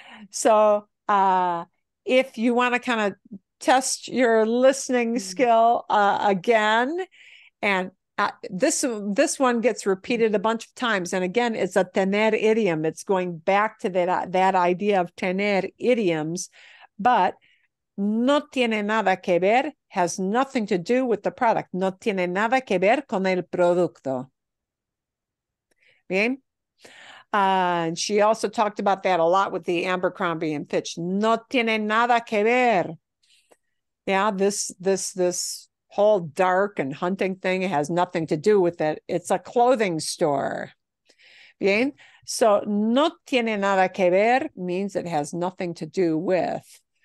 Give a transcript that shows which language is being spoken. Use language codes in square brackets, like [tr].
[en] So if you want to kind of test your listening skill again, and this one gets repeated a bunch of times. And again, it's a tener idiom. It's going back to that idea of tener idioms. But [es] no tiene nada que ver [en] has nothing to do with the product. [es] No tiene nada que ver con el producto. Bien. [en] And she also talked about that a lot with the Abercrombie and Fitch. [es] No tiene nada que ver. [en] Yeah, this whole dark and hunting thing has nothing to do with it. It's a clothing store. Bien. So [es] no tiene nada que ver [en] means it has nothing to do with.